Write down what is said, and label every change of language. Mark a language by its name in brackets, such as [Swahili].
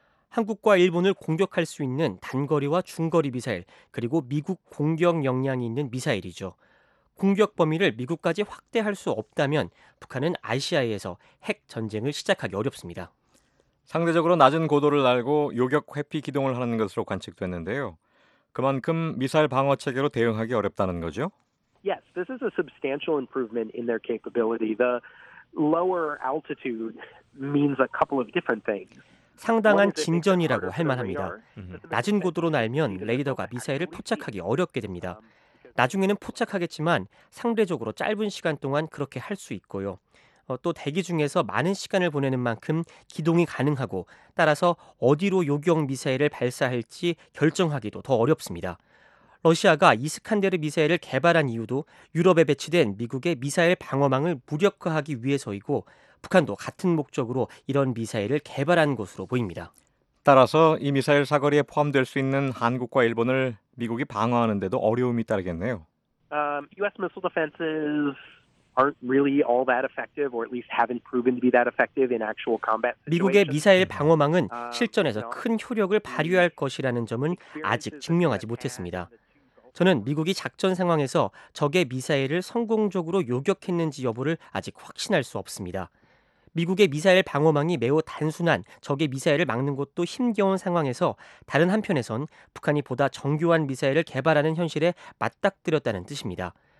[Korean] 한국과 일본을 공격할 수 있는 단거리와 중거리 미사일, 그리고 미국 공격 역량이 있는 미사일이죠. 공격 범위를 미국까지 확대할 수 없다면 북한은 아시아에서 핵 전쟁을 시작하기 어렵습니다. 상대적으로 낮은 고도를 날고 요격 회피 기동을 하는 것으로 관측됐는데요. 그만큼 미사일 방어 체계로 대응하기 어렵다는 거죠? [English] Yes, this is a substantial improvement in their capability. The lower altitude means a couple of different things. [Korean] 상당한 진전이라고 할 만합니다. 낮은 고도로 날면 레이더가 미사일을 포착하기 어렵게 됩니다. 나중에는 포착하겠지만 상대적으로 짧은 시간 동안 그렇게 할 수 있고요. 또 대기 중에서 많은 시간을 보내는 만큼 기동이 가능하고 따라서 어디로 요격 미사일을 발사할지 결정하기도 더 어렵습니다. 러시아가 이스칸데르 미사일을 개발한 이유도 유럽에 배치된 미국의 미사일 방어망을 무력화하기 위해서이고 북한도 같은 목적으로 이런 미사일을 개발한 것으로 보입니다. 따라서 이 미사일 사거리에 포함될 수 있는 한국과 일본을 미국이 방어하는 데도 어려움이 따르겠네요. [English] U.S. missile defenses aren't really all that effective or at least haven't proven to be that effective in actual combat. [Korean] 미국의 미사일 방어망은 실전에서 큰 효력을 발휘할 것이라는 점은 아직 증명하지 못했습니다. 저는 미국이 작전 상황에서 적의 미사일을 성공적으로 요격했는지 여부를 아직 확신할 수 없습니다. 미국의 미사일 방어망이 매우 단순한 적의 미사일을 막는 것도 힘겨운 상황에서 다른 한편에선 북한이 보다 정교한 미사일을 개발하는 현실에 맞닥뜨렸다는 뜻입니다.